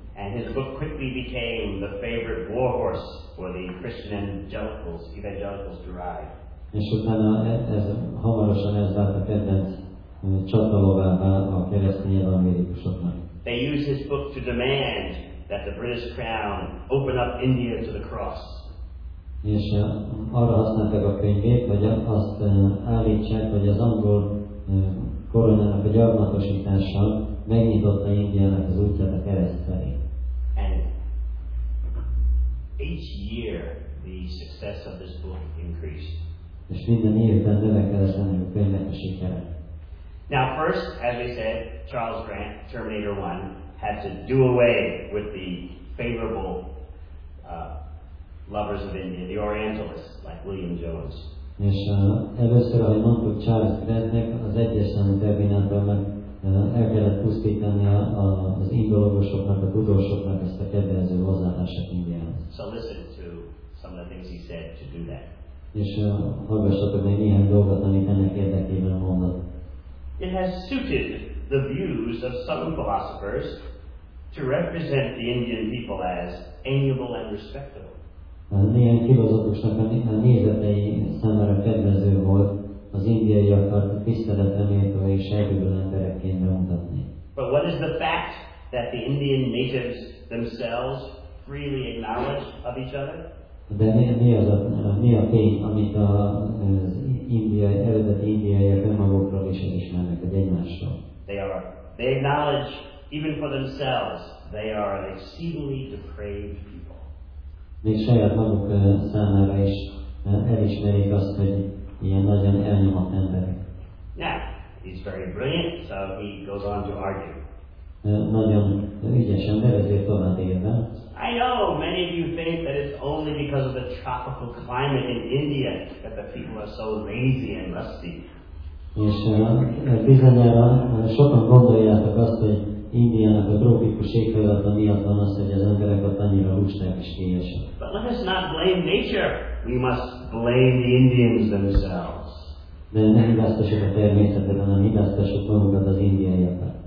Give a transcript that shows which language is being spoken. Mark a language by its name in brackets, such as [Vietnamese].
[English] And his book quickly became the favorite war horse for the Christian evangelicals to ride. [Hungarian] És utána ez hamarosan ez lett a kedvenc csatalovává a keresztény evangélikusoknak. [English] They used his book to demand that the British crown open up India to the cross. [Hungarian] És arra használták a könyvét, hogy azt állítsák, hogy az angol koronának a gyarmatosítással megnyitotta Indiának az útját a kereszt felé. [English] And each year the success of this book increased. [Hungarian] És minden évben növekedett a könyvnek a sikere. [English] Now first, as we said, Charles Grant, Terminator 1, had to do away with the favorable lovers of India, the Orientalists, like William Jones. [Hungarian] És először, ahogy mondtuk Charles Grantnek, az egyes számú Terminátor meg el kellett pusztítani az indológusoknak, a tudósoknak ezt a kedvező hozzáállását Indiához. [English] So listen to some of the things he said to do that. [Hungarian] És hallgassatok meg néhány dolgot, amit ennek érdekében mondott. [English] It has suited the views of some philosophers to represent the Indian people as amiable and respectable. [Hungarian] Néhány filozófusnak a nézetei számára kedvező volt az indiaiakat tiszteletre méltó és elkülön emberekként bemutatni. [English] But what is the fact that the Indian natives themselves freely acknowledge of each other? [Hungarian] De mi a tény, amit az indiai, eredeti indiaiak önmagukról is elismernek, hogy egymásról? [English] They acknowledge, even for themselves, they are an exceedingly depraved people. [Hungarian] Még saját maguk számára is elismerik azt, hogy ilyen nagyon elnyomott emberek. [English] Now, he's very brilliant, so he goes on to argue. [Hungarian] Nagyon ügyes ember, ezért tovább érve. [English] I know, many of you think that it's only because of the tropical climate in India that the people are so lazy and rusty. [Hungarian] És bizonyára sokan gondoljátok azt, hogy Indiának a trópikus éghajlata miatt van az, hogy az emberek ott annyira lusták és kényesek. [English] But let us not blame nature. We must blame the Indians themselves. [Hungarian] De ne hibáztassuk a természetet, hanem hibáztassuk magunkat az indiaiakat.